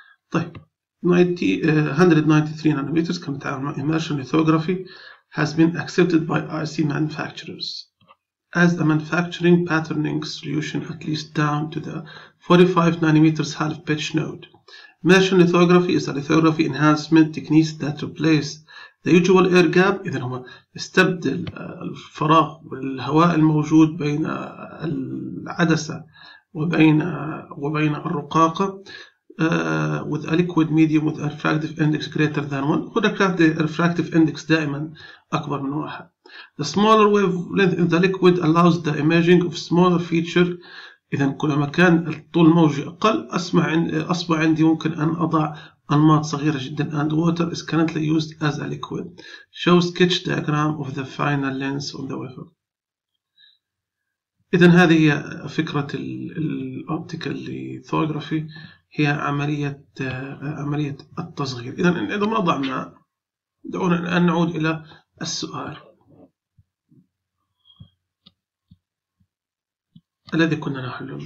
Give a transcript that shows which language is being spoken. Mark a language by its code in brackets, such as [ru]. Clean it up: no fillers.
[ar] طيب 193 نانومترز كما تعلم [en] immersion lithography has been accepted by IC manufacturers as a manufacturing patterning solution at least down to the 45 nanometers half pitch node. Immersion lithography is a lithography enhancement technique that replaces the usual air gap. [ar] إذا هو استبدل الفراغ والهواء الموجود بين العدسة وبين الرقاقة. [en] With a liquid medium with a refractive index greater than 1. [ar] هنا كانت refractive index دائما أكبر من 1. [en] The smaller wavelength in the liquid allows the imaging of smaller feature. [ar] إذا كلما كان الطول الموجي أقل أصبح عندي ممكن أن أضع أنماط صغيرة جدا. [en] And water is currently used as a liquid. Show sketch diagram of the final lens on the wafer. [ar] إذا هذه هي فكرة الأوبتيكال ليثوغرافي، هي عملية التصغير. إذا عندما نضع ماء، دعونا الآن نعود إلى السؤال الذي كنا نحله.